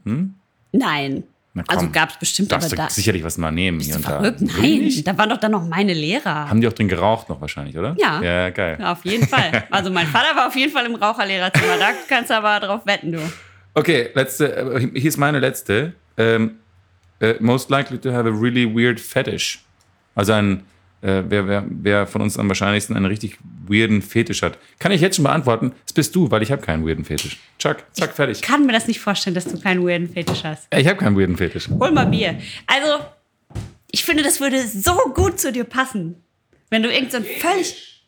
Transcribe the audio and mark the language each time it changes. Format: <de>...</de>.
<de>Hm? Nein. Komm, also gab es bestimmt aber da. Darfst du sicherlich was mal nehmen. Bist hier du verrückt? Und da. Nein, really? Da waren doch dann noch meine Lehrer. Haben die auch drin geraucht noch wahrscheinlich, oder? Ja. Ja, geil. Ja, auf jeden Fall. Also mein Vater war auf jeden Fall im Raucherlehrerzimmer. Da kannst du aber drauf wetten, du. Okay, letzte. Hier ist meine letzte.</de> <en>Most likely to have a really weird fetish.</en> <de>Also wer von uns am wahrscheinlichsten einen richtig weirden Fetisch hat. Kann ich jetzt schon beantworten? Das bist du, weil ich habe keinen weirden Fetisch. Zack, fertig. Ich kann mir das nicht vorstellen, dass du keinen weirden Fetisch hast. Ich habe keinen weirden Fetisch. Hol mal Bier. Also, ich finde, das würde so gut zu dir passen, wenn du irgend so ein völlig...</de>